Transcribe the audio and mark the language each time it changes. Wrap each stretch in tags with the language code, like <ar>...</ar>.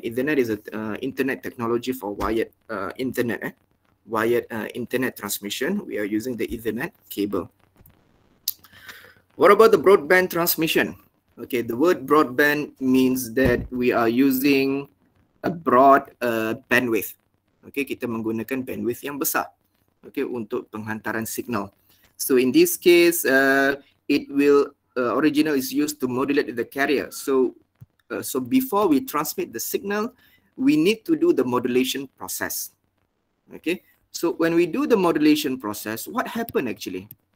<en>Ethernet is an internet technology for wired internet. Wired internet transmission, we are using the Ethernet cable. What about the broadband transmission? Okay, the word broadband means that we are using a broad bandwidth.</en> <ms>Okay, kita menggunakan bandwidth yang besar. Okay, untuk penghantaran signal.</ms> <en>So in this case, it will original is used to modulate the carrier. So so before we transmit the signal, we need to do the modulation process. Okay, so when we do the modulation process, what happen actually?</en>